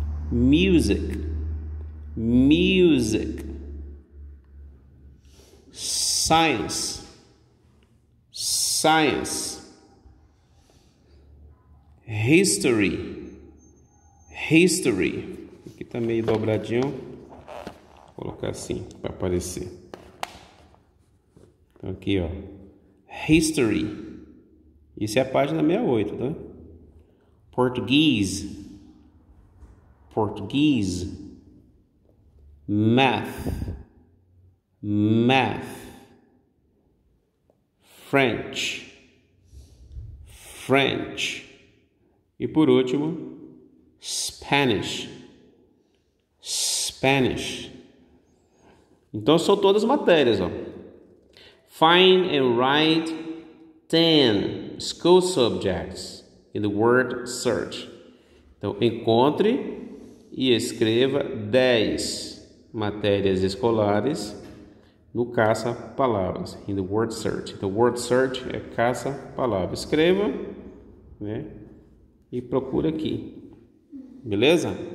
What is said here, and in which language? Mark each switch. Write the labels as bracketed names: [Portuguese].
[English] Music, music, science, science, history, history. [Portuguese] Aqui tá meio dobradinho. Vou colocar assim para aparecer. Então aqui, ó, history. Isso é a página 68, tá? [English] Portuguese. Portuguese. Math. Math. French. French. [Portuguese] E por último, Spanish. Spanish. Então são todas matérias, ó. [English] Find and write 10 school subjects in the word search. [Portuguese] Então encontre e escreva 10 matérias escolares no caça palavras, [English] in the word search. The word search [Portuguese] é caça palavras. Escreva, né, e procura aqui. Beleza?